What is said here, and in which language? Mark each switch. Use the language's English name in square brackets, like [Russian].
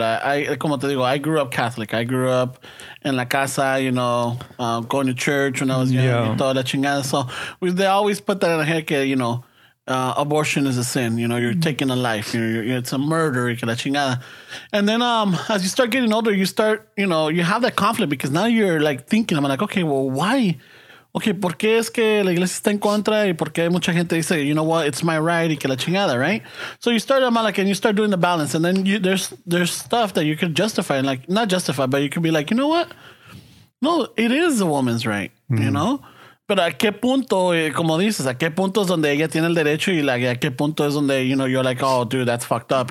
[English] I como te digo, I grew up Catholic. I grew up in la casa, you know, going to church when I was young. Yeah. [Spanish] Toda la chingada. [English] So they always put that in the head, you know. Abortion is a sin. You know, you're taking a life. You're, it's a murder. [Spanish] Que la chingada. [English] And then as you start getting older, you start, you know, you have that conflict because now you're like thinking, I'm like, okay, well, why? [Spanish] Okay, ¿por qué es que la iglesia está en contra? ¿Y por qué mucha gente dice, [English] you know what, it's my right? [Spanish] Y que la chingada, right? [English] So you start, I'm like, and you start doing the balance. And then there's stuff that you could justify. And like, not justify, but you could be like, you know what? No, it is a woman's right, you know? [Spanish] Pero a qué punto, como dices, a qué punto es donde ella tiene el derecho y like, a qué punto es donde, [English] you know, you're like, oh, dude, that's fucked up.